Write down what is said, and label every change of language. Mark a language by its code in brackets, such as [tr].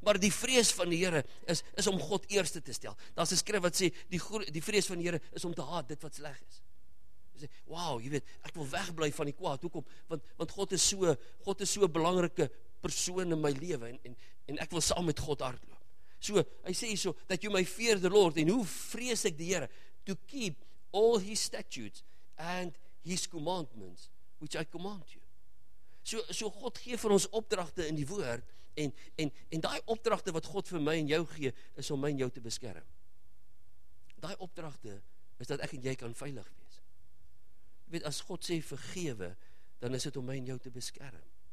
[af] Maar die vrees van die Here is om God eerste te stel. Daar is 'n skrif wat sê, die vrees van die Here is om te haat dit wat sleg is. Sê, wow, jy weet, ek wil wegbly van die kwaad. Hoekom? Want God is so 'n belangrike persoon in my lewe en ek wil saam met God hardloop. So, hy sê so, [en] that you may fear the Lord, [af] en hoe vrees ek die Here? [en] To keep all his statutes and his commandments, which I command you. [af] So God gee vir ons opdragte in die woord, en daai opdragte wat God vir my en jou gee, is om my en jou te beskerm. Daai opdragte is dat ek en jy kan veilig wees. Jy weet, as God sê vergewe, dan is dit om my en jou te beskerm.